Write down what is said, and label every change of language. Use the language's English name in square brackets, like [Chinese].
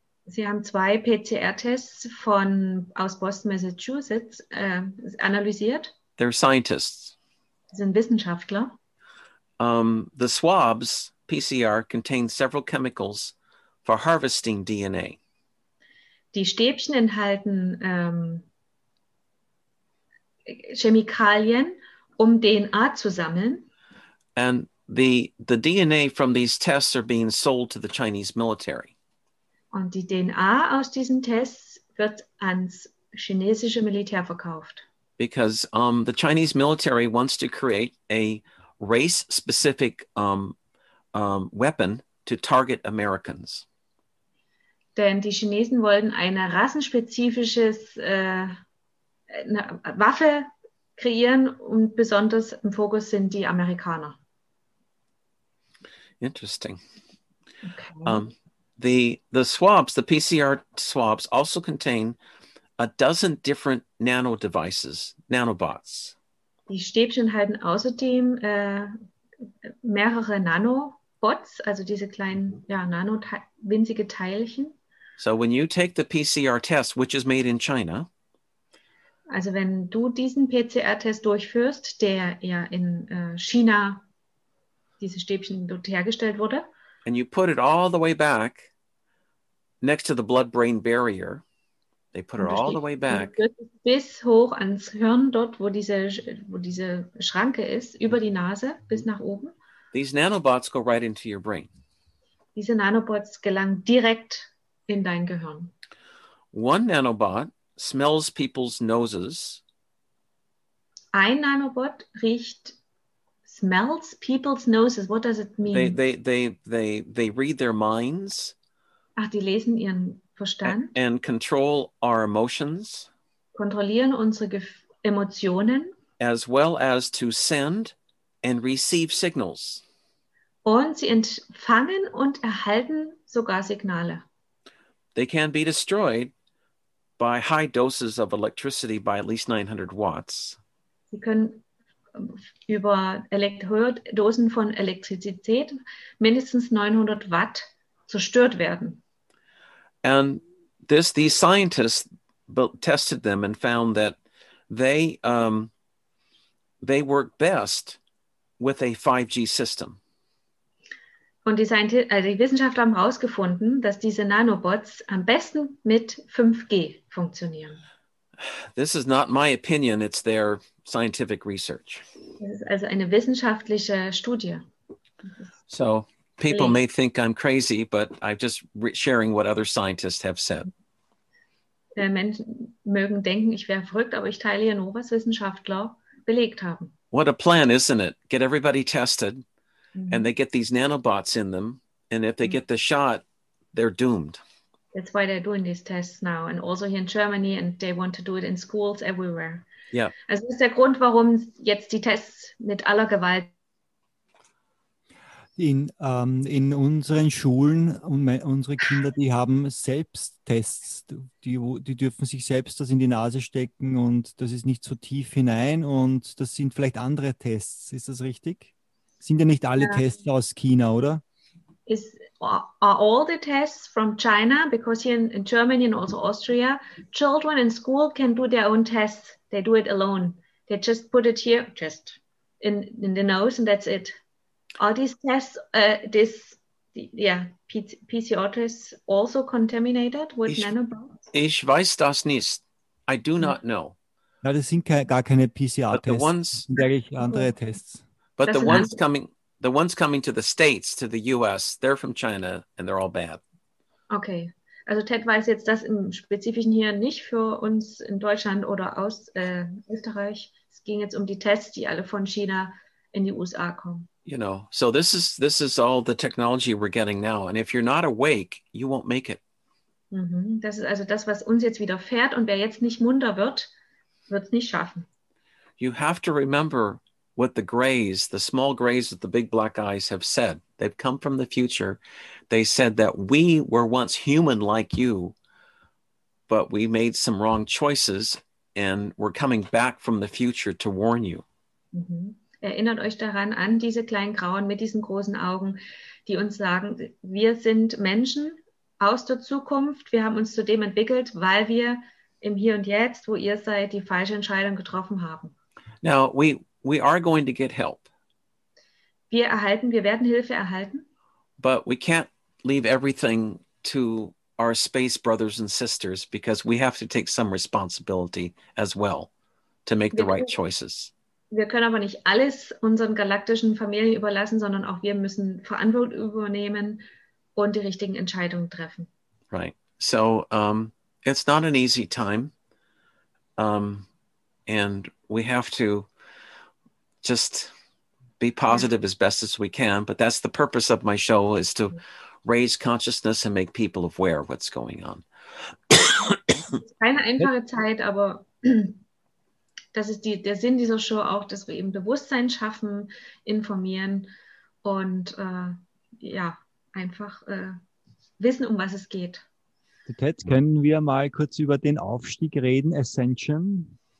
[German] Sie haben 2 PCR-Tests aus Boston, Massachusetts analysiert. [English] They're scientists. [German] Sie sind Wissenschaftler. [English] The swabs, PCR, contain several chemicals for harvesting DNA. [German] Die Stäbchen enthalten Chemikalien, um DNA zu sammeln. [English] And the DNA from these tests are being sold to the Chinese military. [German] Und die DNA aus diesen Tests wird ans chinesische Militär verkauft. [English] Because the Chinese military wants to create a race-specific weapon to target Americans. [German] Denn die Chinesen wollen eine rassenspezifisches Waffe kreieren und besonders im Fokus sind die Amerikaner. [English] Interesting. Okay. The swabs, the PCR swabs, also contain a dozen different nano devices, nanobots. [German] Die Stäbchen halten außerdem mehrere Nanobots, also diese kleinen, winzige Teilchen. [English] So when you take the PCR test, which is made in China. [German] Also wenn du diesen PCR-Test durchführst, der ja in China, diese Stäbchen dort hergestellt wurde. [English] And you put it all the way back. Next to the blood-brain barrier, they put it all the way back. [German] Bis hoch ans Hirn, dort, wo diese Schranke ist, über die Nase, bis nach oben. [English] These nanobots go right into your brain. [German] Diese Nanobots gelangen direkt in dein Gehirn. [English] One nanobot smells people's noses. [German] Ein Nanobot [English] smells people's noses. What does it mean? They read their minds. [German] Ach, die lesen ihren Verstand. [English] And control our emotions. [German] Kontrollieren unsere Emotionen. [English] As well as to send and receive signals. [German] Und sie empfangen und erhalten sogar Signale. [English] They can be destroyed by high doses of electricity by at least 900 watts. [German] Sie können über Dosen von Elektrizität mindestens 900 Watt zerstört werden. [English] And these scientists, tested them and found that they work best with a 5G system. [German] Und die, die Wissenschaftler haben herausgefunden, dass diese Nanobots am besten mit 5G funktionieren. [English] This is not my opinion, it's their scientific research. [German] Das ist also eine wissenschaftliche Studie. [English] So people may think I'm crazy, but I'm just sharing what other scientists have said. [German] Menschen mögen denken, ich wäre verrückt, aber ich teile hier nur, was Wissenschaftler belegt haben. [English] What a plan, isn't it? Get everybody tested, and they get these nanobots in them, and if they get the shot, they're doomed. That's why they're doing these tests now, and also here in Germany, and they want to do it in schools everywhere. Yeah. [German] Also ist der Grund, warum jetzt die Tests mit aller Gewalt In unseren Schulen, unsere Kinder, die haben Selbsttests, die dürfen sich selbst das in die Nase stecken und das ist nicht so tief hinein und das sind vielleicht andere Tests, ist das richtig? Sind ja nicht alle Tests aus China, oder? [English] Are all the tests from China, because here in Germany and also Austria, children in school can do their own tests, they do it alone. They just put it here, just in the nose and that's it. Are these tests, PCR tests also contaminated with nanobots? [German] Ich weiß das nicht. [English] I do not know. [German] Ja, das sind gar keine PCR-Tests. [English] But the ones, [German] andere Tests. [English] But the ones coming to the States, to the US, they're from China and they're all bad. Okay. [German] Also Ted weiß jetzt das im Spezifischen hier nicht für uns in Deutschland oder aus Österreich. Es ging jetzt um die Tests, die alle von China in die USA kommen. [English] You know, so this is all the technology we're getting now. And if you're not awake, you won't make it. Mm-hmm. [German] Das ist also das, was uns jetzt widerfährt. Und wer jetzt nicht munter wird, wird es nicht schaffen. [English] You have to remember what the grays, the small grays with the big black eyes have said. They've come from the future. They said that we were once human like you, but we made some wrong choices and we're coming back from the future to warn you. Mm-hmm. [German] Erinnert euch daran an diese kleinen Grauen mit diesen großen Augen, die uns sagen, wir sind Menschen aus der Zukunft. Wir haben uns zu dem entwickelt, weil wir im Hier und Jetzt, wo ihr seid, die falsche Entscheidung getroffen haben. [English] Now, we are going to get help. [German] Wir werden Hilfe erhalten. [English] But we can't leave everything to our space brothers and sisters, because we have to take some responsibility as well to make the right choices. [German] Wir können aber nicht alles unseren galaktischen Familien überlassen, sondern auch wir müssen Verantwortung übernehmen und die richtigen Entscheidungen treffen. [English] Right. So, it's not an easy time. And we have to just be positive as best as we can. But that's the purpose of my show, is to raise consciousness and make people aware of what's going on. [German] Keine einfache Zeit, aber... Das ist der Sinn dieser Show auch, dass wir eben Bewusstsein schaffen, informieren und wissen, um was es geht. Ted, können wir mal kurz über den Aufstieg reden, Ascension?